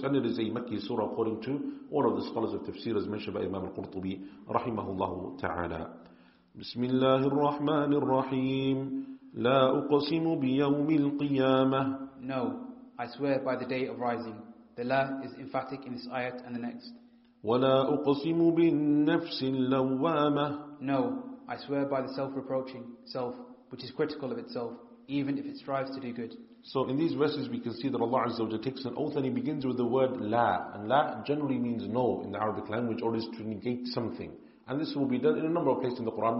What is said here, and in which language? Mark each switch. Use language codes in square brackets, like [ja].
[en] And it is a Makki surah according to all of the scholars of tafsir as mentioned by Imam Al-Qurtubi, rahimahullahu ta'ala. [ar] Bismillahirrahmanirrahim. La uqasimu biyawmi al-qiyamah. [en] No, I swear by the day of rising. The la is emphatic in this ayat and the next. [ar] ولا أقسم بالنفس اللوامة. [en] No, I swear by the self-reproaching self, which is critical of itself, even if it strives to do good. So in these verses, we can see that Allah Azza wa Jalla takes an oath, and He begins with the word لا, and لا generally means no in the Arabic language, or is to negate something. And this will be done in a number of places in the Quran.